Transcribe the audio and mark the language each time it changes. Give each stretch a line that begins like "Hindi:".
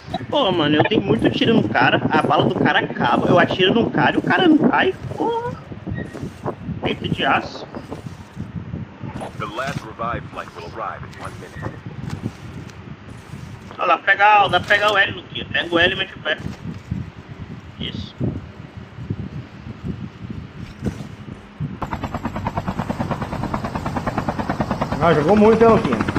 Portuguese: Pô, mano, eu tenho muito tiro no cara, a bala do cara acaba, eu atiro no cara e o cara não cai. Porra. Peito de aço.
English: The last revive flight will arrive in 1 minute.
Portuguese: Olha lá, dá pra pegar o L, Luquinha. Pega o L e mete o pé. Isso. Ah, jogou muito, hein, Luquinha.